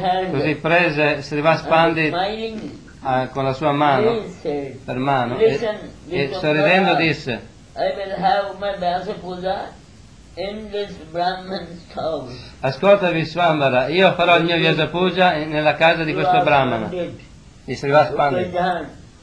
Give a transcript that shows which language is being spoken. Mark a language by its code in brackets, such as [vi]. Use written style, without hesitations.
[it] Così prese Srivas Pandit con la sua mano, per mano, e sorridendo disse: [en] I will have my Vyasa Puja in this Brahman's house. [it] Ascolta Vishwambara, io farò il mio Vyasa Puja nella casa di questo Brahmana. Di Srivas Pandit.